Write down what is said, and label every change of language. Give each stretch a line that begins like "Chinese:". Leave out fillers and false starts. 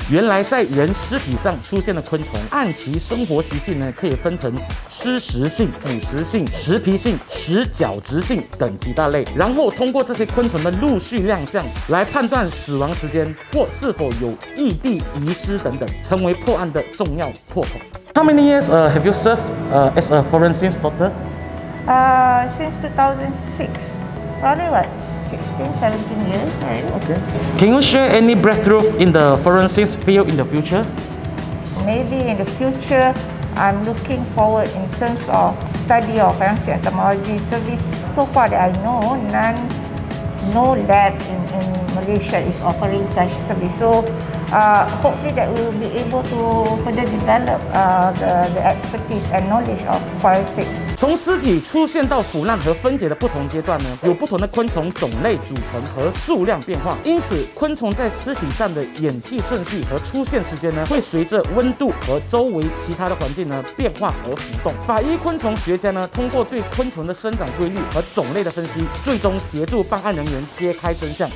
Chinese: 原来在人尸体上出现的昆虫，按其生活习性呢，可以分成湿食性、腐蚀性、食皮性、食角质性等几大类。然后通过这些昆虫的陆续亮相，来判断死亡时间或是否有异地遗失等等，成为破案的重要破口。
English: How many years have you served as a forensic doctor? Since 2006. Probably what, 16, 17 years. Okay. Can you share any breakthrough in the forensics field in the future? Maybe in the future, I'm looking forward in terms of study of forensic entomology service. So far that I know, no lab in Malaysia is offering such service. So hopefully that we will be able to further develop the expertise and knowledge of forensics.
Chinese: 从尸体出现到腐烂和分解的不同阶段呢，有不同的昆虫种类组成和数量变化，因此昆虫在尸体上的演替顺序和出现时间呢，会随着温度和周围其他的环境呢变化而浮动。法医昆虫学家呢，通过对昆虫的生长规律和种类的分析，最终协助办案人员揭开真相。